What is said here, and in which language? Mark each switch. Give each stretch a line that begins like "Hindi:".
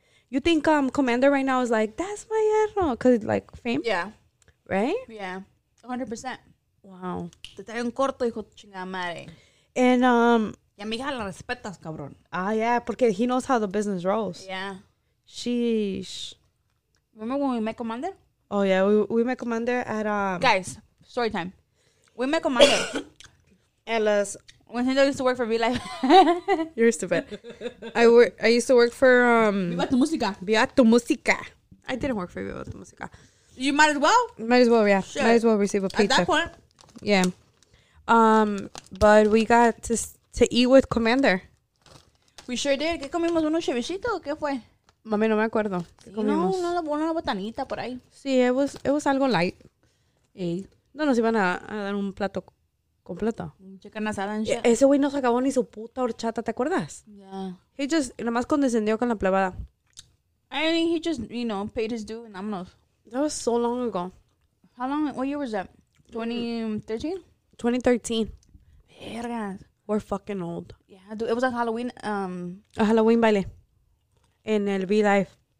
English: You think Commander right now is like, that's my yerno, because like fame? Yeah. Right? Yeah, 100%. Wow.
Spanish: Te trae un corto, hijo de chingada madre.
English: And
Spanish: y a mi hija la respetas, cabrón.
English: Ah, yeah, porque he knows how the business rolls. Yeah. Sheesh. Remember when we met Commander? Oh, yeah, we met Commander at... Guys, story time. We met Commander. Alice. When Cinder used to work for V-Live. You're stupid. I used to work for... Viva Tu Música. Viva Tu Música. I didn't work for Viva Tu Música. You might as well? Might as well, yeah. Sure. Might as well receive a paycheck. At that point. Yeah. But we got to eat with Commander. We sure did.
Spanish: ¿Qué comimos? ¿Unos chevichitos o qué fue? Mami, no me acuerdo. ¿Qué sí, comimos? No, una botanita por ahí.
English: Sí, it was algo light.
Spanish: ¿Y? No nos iban a dar un plato completo.
English: Chicken asada.
Spanish: Ese güey nos acabó ni su puta horchata, ¿te acuerdas?
English: Yeah. He just,
Spanish: nada más condescendió con la plebada.
English: I mean, he just, you know, paid his due and vámonos. That was so long ago. How long, what year was that? 2013? 2013.
Spanish: Vergas.
English: We're fucking old. Yeah, dude, it was a Halloween. A Halloween baile. In el V-Live.